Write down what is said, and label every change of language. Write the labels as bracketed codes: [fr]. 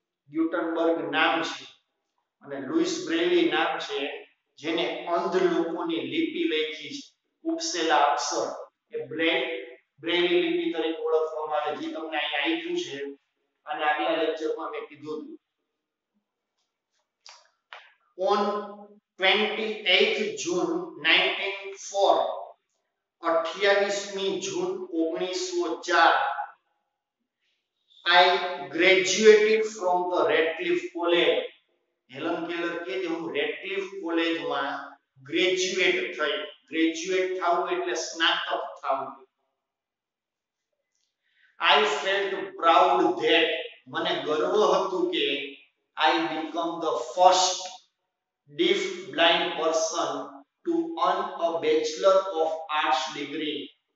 [gu] ગ્યુટનબર્ગ નામ છે અને લુઈસ બ્રેલી નામ છે જેને અંધ લોકોની લિપિ લખી છે. ઉપસેલા અક્ષર એ બ્રેલી લિપિ તરીકે ઓળખવામાં આવે, જે તમને અહીંયા આપ્યું છે અને આગલા લેક્ચરમાં મેં કીધું હતું. [en] On 28 June 1904, 28 June 1904, I graduated from the Radcliffe College. [gu] Helen Keller કહે છે, હું રેડક્લિફ કોલેજમાં ગ્રેજ્યુએટ થયો. ગ્રેજ્યુએટ થવું એટલે સ્નાતક થવું. [en] I felt proud that, [gu] મને ગર્વ હતો કે, [en] I become the first deaf blind person to earn a bachelor of arts degree.